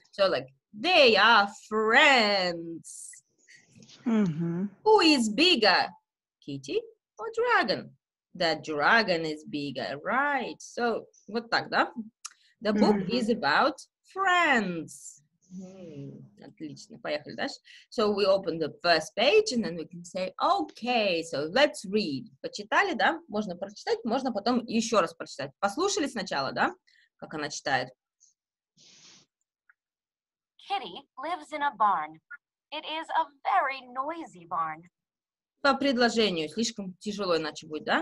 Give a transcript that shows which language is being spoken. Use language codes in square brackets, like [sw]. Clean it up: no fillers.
[en] So, like, they are friends. Who is bigger? Kitty or dragon? The dragon is bigger. Right. So, [ru] вот так, да? [en] The book is about friends. [ru] Отлично, поехали дальше. [en] So we open the first page and then we can say, okay, so let's read. [ru] Почитали, да? Можно прочитать, можно потом еще раз прочитать. Послушали сначала, да? Как она читает. [en] Kitty lives in a barn. It is a very noisy barn. [ru] По предложению, слишком тяжело иначе будет, да?